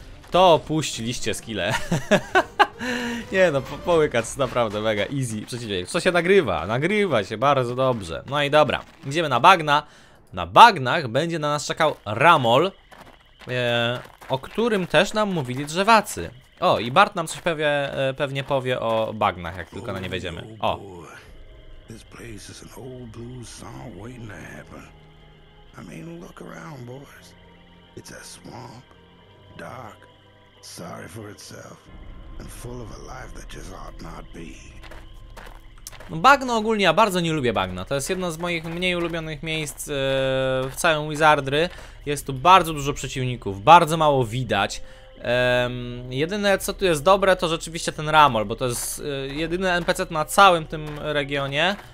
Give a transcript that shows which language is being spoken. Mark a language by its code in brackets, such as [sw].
[pl] To opuściliście skille. Nie no, połykać to naprawdę mega easy przeciwdziałek. Co się nagrywa? Nagrywa się bardzo dobrze. No i dobra, idziemy na bagna. Na bagnach będzie na nas czekał Ramol, o którym też nam mówili drzewacy. O, i Bart nam coś pewnie powie o bagnach, jak tylko na nie wejdziemy. O. [en] This place is an old blue song waiting to happen. I mean, look around, boys. It's a swamp, dark, sorry for itself. And full of a life that just ought not be. [pl] No, bagno ogólnie, ja bardzo nie lubię bagna. To jest jedno z moich mniej ulubionych miejsc w całym Wizardry. Jest tu bardzo dużo przeciwników, bardzo mało widać. Jedyne co tu jest dobre, to rzeczywiście ten Ramol, bo to jest jedyny NPC na całym tym regionie.